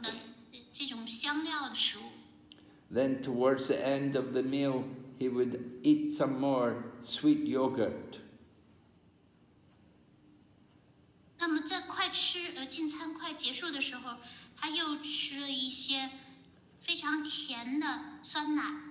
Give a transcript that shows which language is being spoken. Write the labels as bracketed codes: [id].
[zh] 以及加了香料的食物，比如说加就是用红辣椒做的，或者是用小茴香籽做成的这种香料的食物。 [en] Then towards the end of the meal, he would eat some more sweet yogurt. [zh] 那么在快吃，进餐快结束的时候，他又吃了一些非常甜的酸奶。